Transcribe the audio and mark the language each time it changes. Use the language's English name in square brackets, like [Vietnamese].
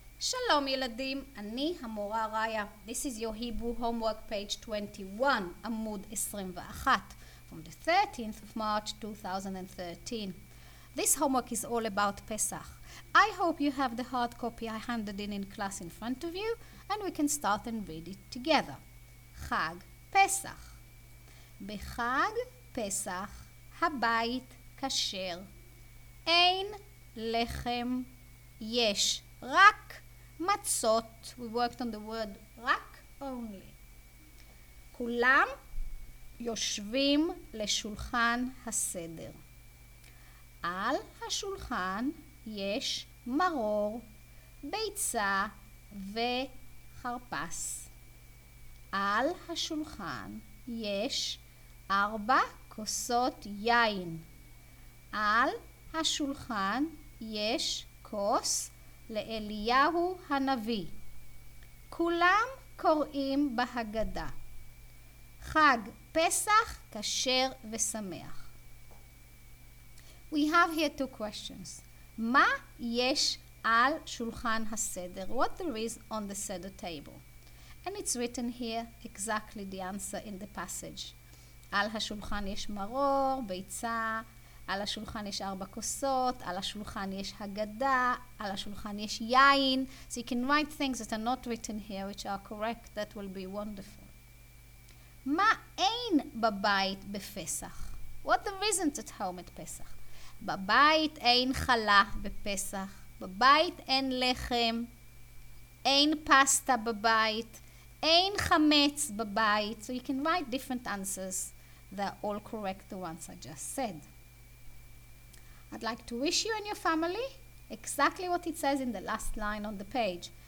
[Hebrew] שלום ילדים, אני המורה ראיה. [English] This is your Hebrew homework page 21, עמוד 21, from the 13th of March 2013. This homework is all about Pesach. I hope you have the hard copy I handed in class in front of you, and we can start and read it together. [Hebrew] חג פסח. בחג פסח הבית כשר. אין לחם, יש רק מצות. [English] We worked on the word רק only. [Hebrew] כולם יושבים לשולחן הסדר. על השולחן יש מרור, ביצה וחרפס. על השולחן יש ארבע כוסות יין. על השולחן יש כוס לאליהו הנביא. כולם קוראים בהגדה. חג פסח כשר ושמח. [English] We have here two questions. [Hebrew] מה יש על שולחן הסדר? [English] What there is on the seder table? And it's written here exactly the answer in the passage. [Hebrew] על השולחן יש מרור, ביצה, על השולחן יש ארבע כוסות, על השולחן יש הגדה, על השולחן יש יין. [English] So you can write things that are not written here, which are correct, that will be wonderful. [Hebrew] מה אין בבית בפסח? [English] What there isn't at home at Pesach? [Hebrew] בבית אין חלה בפסח, בבית אין לחם, אין פסטה בבית, אין חמץ בבית. [English] So you can write different answers that are all correct, the ones I just said. I'd like to wish you and your family exactly what it says in the last line on the page.